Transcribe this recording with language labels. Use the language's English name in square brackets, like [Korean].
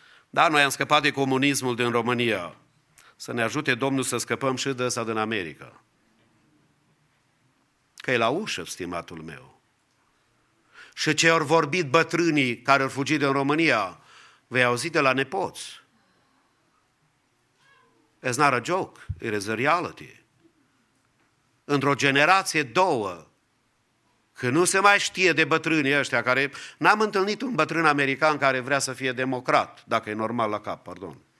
[Romanian] Da, noi am scăpat de comunismul din România. Să ne ajute Domnul să scăpăm și de ăsta din America. Că e la ușă, stimatul meu. Și ce au vorbit bătrânii care au fugit din România, vei auzi de la nepoți. [English] It's not a joke, it is a reality. [Romanian] Într-o generație, două, că nu se mai știe de bătrânii ăștia, care n-am întâlnit un bătrân american care vrea să fie democrat, dacă e normal la cap, pardon.